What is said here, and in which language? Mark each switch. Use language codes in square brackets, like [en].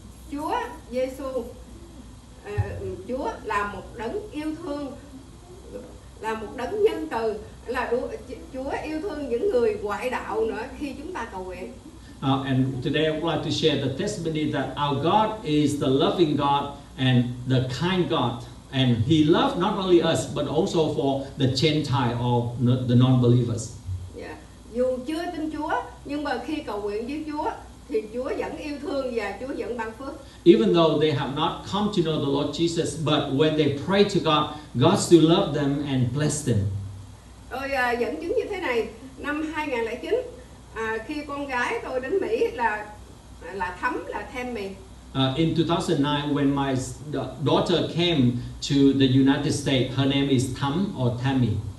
[vi] Chúa Giêsu, Chúa là một đấng yêu thương, là một đấng nhân từ, là Chúa yêu thương những người ngoại đạo nữa khi chúng ta cầu nguyện. [en] And today I would like to share the testimony that our God is the loving God and the kind God, and He loves not only us but also for the Gentile or the non-believers. Yeah. [vi] Dù chưa tin Chúa nhưng mà khi cầu nguyện với Chúa thì Chúa vẫn yêu thương và Chúa vẫn ban phước. [en] Even though they have not come to know the Lord Jesus, but when they pray to God, God still loves them and bless them. [vi] Tôi dẫn chứng như thế này, năm 2009, khi con gái tôi đến Mỹ là thấm, là thêm mì. [en] In 2009, when my daughter came to the United States, her name is Thấm or Tammy.